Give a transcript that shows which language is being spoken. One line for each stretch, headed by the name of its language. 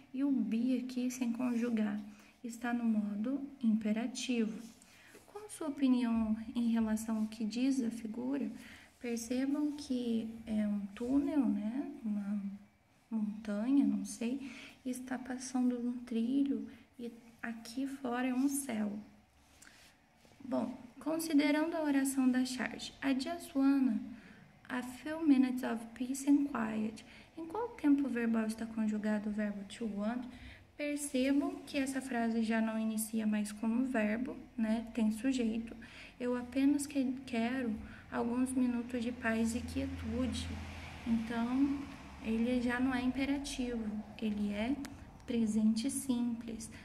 Portuguese: E o be aqui sem conjugar. Está no modo imperativo. Qual a sua opinião em relação ao que diz a figura? Percebam que é um túnel, né? Uma montanha, não sei. E está passando um trilho e aqui fora é um céu. Bom, considerando a oração da charge,
English: I just wanna a few minutes of peace and quiet.
Portuguese: Em qual tempo verbal está conjugado o verbo to want? Percebam que essa frase já não inicia mais como verbo, né? Tem sujeito. Eu apenas quero alguns minutos de paz e quietude. Então, ele já não é imperativo, ele é presente simples.